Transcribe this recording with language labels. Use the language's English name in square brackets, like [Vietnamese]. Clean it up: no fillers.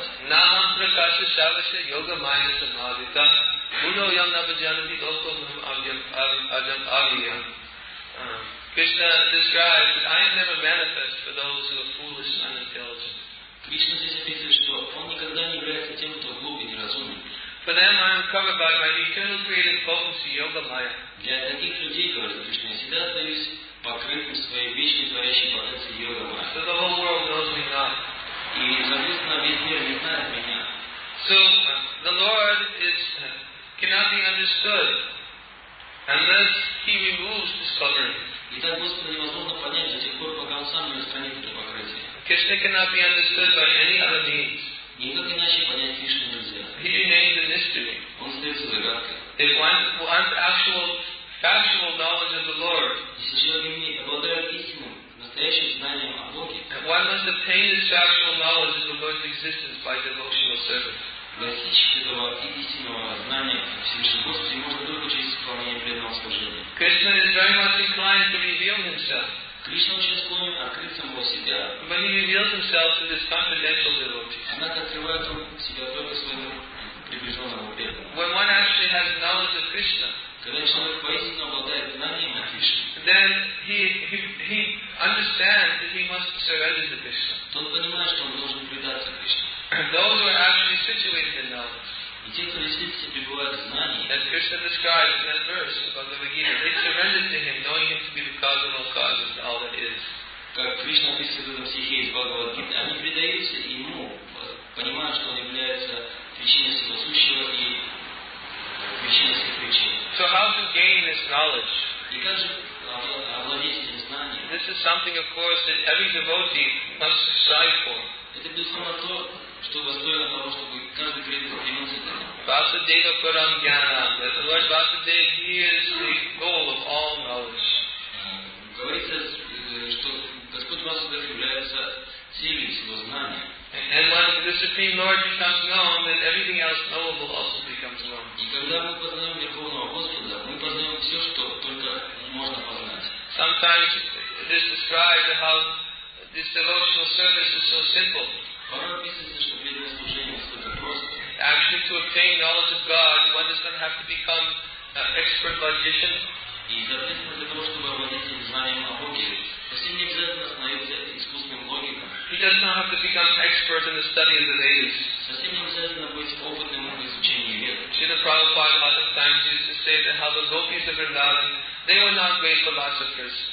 [Sanskrit] Naham prakasha shavasya yoga maya samadita uno yam nabhajanati doko mham ajam aviyam. [English] Krishna describes that I am never manifest for those who are foolish and unintelligent. [Russian] Krishna здесь описывает, что он никогда не является тем, кто глуп и неразумен. [English] For them I am covered by my eternal creative potency, yoga maya. [Russian] Для таких людей, говорит Кришна, я всегда остаюсь покрытым своей вечной творящей потенцией йога майя. [English] So the whole world knows me not. [Russian] И, соответственно, весь мир не знает меня. [English] So the Lord is cannot be understood unless he removes this covering. [Russian] И так Господа невозможно понять до тех пор, пока Он сам не устранит это покрытие. [English] Krishna cannot be understood by any other means. [Russian] Никак иначе понять Кришну нельзя. [English] He remains a mystery. [Russian] Он остается загадкой. [English] If one wants actual, factual knowledge of the Lord, [Russian] если человек не обладает истинным, настоящим знанием о Боге, [English] one must obtain this factual knowledge of the Lord's existence by devotional service. [Russian] Достичь этого истинного знания Всевышнего Господа можно только через исполнение преданного служения. [English] Krishna is very much inclined to reveal himself. [Russian] Кришна очень склонен открыть самого себя. [English] But he reveals himself to this confidential devotee. [Russian] Однако открывает он себя только своему приближенному преданному. [English] when one actually has knowledge of Krishna, then he understands that he must surrender to Krishna. Those who are actually situated in knowledge, as Krishna describes in that verse of Bhagavad Gita, they surrender to him, knowing him to be the cause of all causes, all that is. [Russian] Как Кришна описывает в этом стихе из Бхагавад-гиты, они предаются ему, понимая, что он является причиной всего сущего и причиной всех причин. [English] So how to gain this knowledge? [Russian] И как же овладеть этим знанием? [English] This is something, of course, that every devotee must strive for. [Russian] Это безусловно то, что достойно того, чтобы каждый преданный стремился к этому. [Sanskrit] Vasudeva Param Jnana, [English] the Lord Vasudeva, he is the goal of all knowledge. [Russian] Говорится, что Господь Васудев является целью всего знания. [English] And when the Supreme Lord becomes known, then everything else knowable also becomes known. [Russian] И когда мы познаем Верховного Господа, мы познаем все, что только можно познать. [English] Sometimes this describes how this devotional service is so simple. [Russian] Порой описывается, что преданное служение настолько просто. [English] Actually, to obtain knowledge of God, one does not have to become an expert logician. [Russian] И соответственно для того, чтобы овладеть этим знанием о Боге, совсем не обязательно становиться искусным логиком. [English] He does not have to become expert in the study of the Vedas. [Russian] Совсем не обязательно быть опытным в изучении Вед. [English] Srila Prabhupada a lot of times used to say that how the gopis of Vrindavan, they were not great philosophers.